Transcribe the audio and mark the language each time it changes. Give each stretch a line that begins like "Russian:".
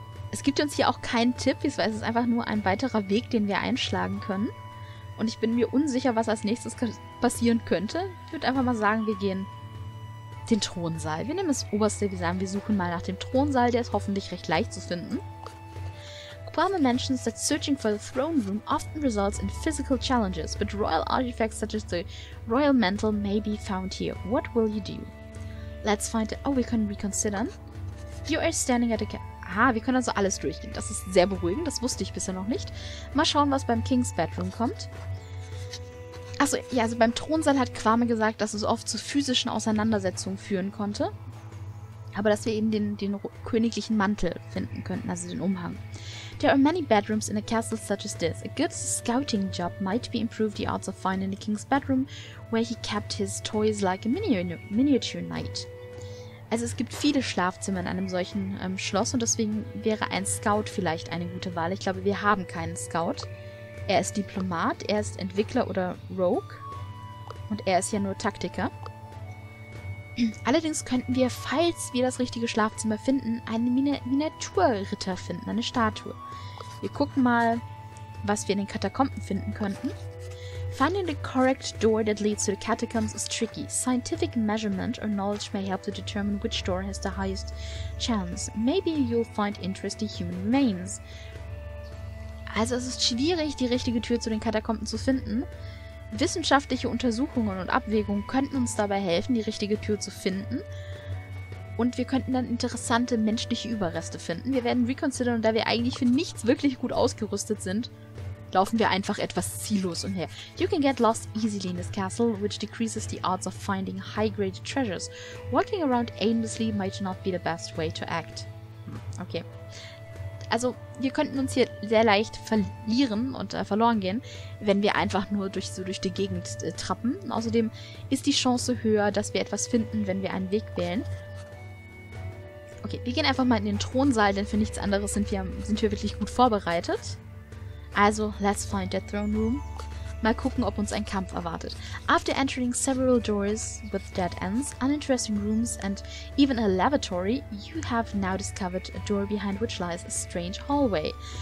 German: Es gibt uns hier auch keinen Tipp, es ist einfach nur ein weiterer Weg, den wir einschlagen können. und ich bin mir unsicher, was als nächstes passieren könnte. Ich würde einfach mal sagen, wir gehen den Thronsaal. Wir nehmen das oberste, wir sagen, wir suchen mal nach dem Thronsaal, der ist hoffentlich recht leicht zu finden.
English: Kwame mentions that searching for the throne room often results in physical challenges, but royal artifacts such as the royal mantle may be found here. What will you do? Let's find it. Oh, we can reconsider. You are standing at a...
German: wir können also alles durchgehen. Das ist sehr beruhigend, das wusste ich bisher noch nicht. Mal schauen, was beim King's Bedroom kommt. Achso, ja, also beim Thronsaal hat Kwame gesagt, dass es oft zu physischen Auseinandersetzungen führen konnte. Aber dass wir eben den königlichen Mantel finden könnten, also den Umhang.
English: There are many bedrooms in a castle such as this. A good scouting job might be improved the odds of finding the king's bedroom, where he kept his toys like a miniature knight.
German: Also es gibt viele Schlafzimmer in einem solchen Schloss und deswegen wäre ein Scout vielleicht eine gute Wahl. Ich glaube, wir haben keinen Scout. Er ist Diplomat, er ist Entwickler oder Rogue. Und er ist ja nur Taktiker. Allerdings könnten wir, falls wir das richtige Schlafzimmer finden, einen Miniaturritter finden, eine Statue. Wir gucken mal, was wir in den Katakomben finden könnten.
English: Finding the correct door that leads to the catacombs is tricky. Scientific measurement or knowledge may help to determine which door has the highest chance. Maybe you'll find interesting human remains.
German: Also es ist schwierig, die richtige Tür zu den Katakomben zu finden. Wissenschaftliche Untersuchungen und Abwägungen könnten uns dabei helfen, die richtige Tür zu finden. Und wir könnten dann interessante menschliche Überreste finden. Wir werden reconsidern und da wir eigentlich für nichts wirklich gut ausgerüstet sind, laufen wir einfach etwas ziellos umher.
English: You can get lost easily in this castle, which decreases the odds of finding high-grade treasures. Walking around aimlessly might not be the best way to act. Okay.
German: Also, wir könnten uns hier sehr leicht verlieren und verloren gehen, wenn wir einfach nur durch die Gegend trappen. Außerdem ist die Chance höher, dass wir etwas finden, wenn wir einen Weg wählen. Okay, wir gehen einfach mal in den Thronsaal, denn für nichts anderes sind wir wirklich gut vorbereitet. Also,
English: let's find the throne room.
German: Mal gucken, ob uns ein Kampf erwartet.
English: After entering several doors with dead ends, uninteresting rooms and even a lavatory, you have now discovered a door behind which lies a strange hallway.